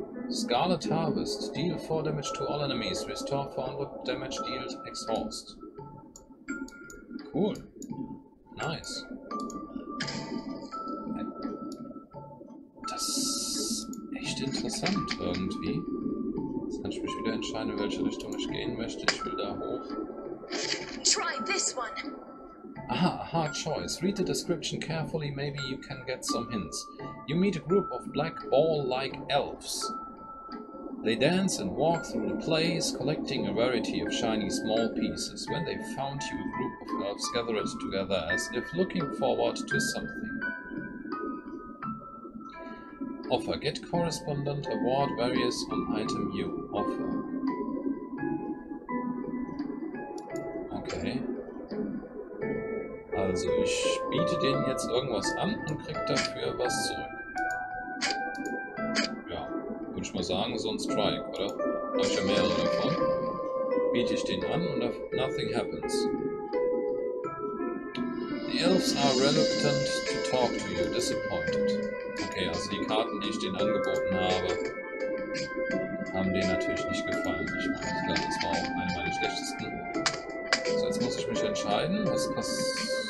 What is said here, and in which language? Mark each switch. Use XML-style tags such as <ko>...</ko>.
<en>Scarlet Harvest. Deal 4 damage to all enemies. Restore 400 damage dealed exhaust. Cool. Nice.</en> <de>Das ist echt interessant irgendwie. Jetzt kann ich mich wieder entscheiden, in welche Richtung ich gehen möchte. Ich will da hoch.</de> <en>Try this one. Aha, a hard choice. Read the description carefully, maybe you can get some hints. You meet a group of black ball-like elves. They dance and walk through the place, collecting a variety of shiny small pieces. When they found you, a group of elves gathered together as if looking forward to something. Offer. Get correspondent award various on item you offer. Okay.</en> <de>Also ich biete denen jetzt irgendwas an und krieg dafür was zurück. Ja, würde ich mal sagen, so ein Strike, oder? Habe ich ja mehrere davon. Biete ich den an und</de> <en>nothing happens. The elves are reluctant to talk to you, disappointed.</en> <de>Okay, also die Karten, die ich denen angeboten habe, haben denen natürlich nicht gefallen. Ich meine, ich glaube, das war auch eine meiner schlechtesten. So, jetzt muss ich mich entscheiden, was passt.</de>